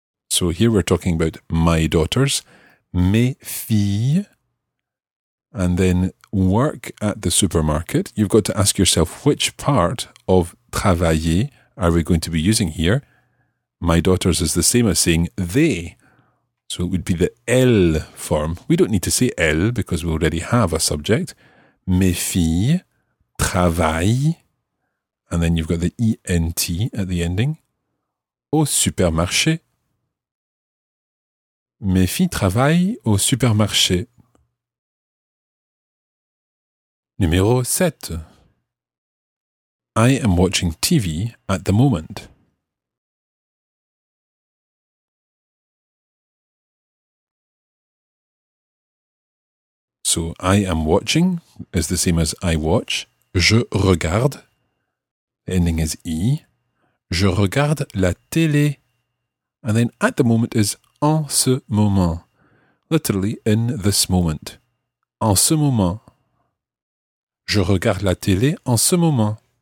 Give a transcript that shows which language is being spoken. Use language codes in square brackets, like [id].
[en] So here we're talking about my daughters, mes filles, and then work at the supermarket, you've got to ask yourself which part of travailler are we going to be using here. my daughters is the same as saying they. So it would be the elle form. We don't need to say elle because we already have a subject. [fr] Mes filles travaillent. [en] And then you've got the ENT at the ending. [fr] Au supermarché. Mes filles travaillent au supermarché. Numéro 7. [en] I am watching TV at the moment. So, I am watching is the same as I watch. [fr] Je regarde. [en] The ending is E. [fr] Je regarde la télé. [en] And then, at the moment is [fr] en ce moment. [en] Literally, in this moment. [fr] En ce moment. Je regarde la télé en ce moment.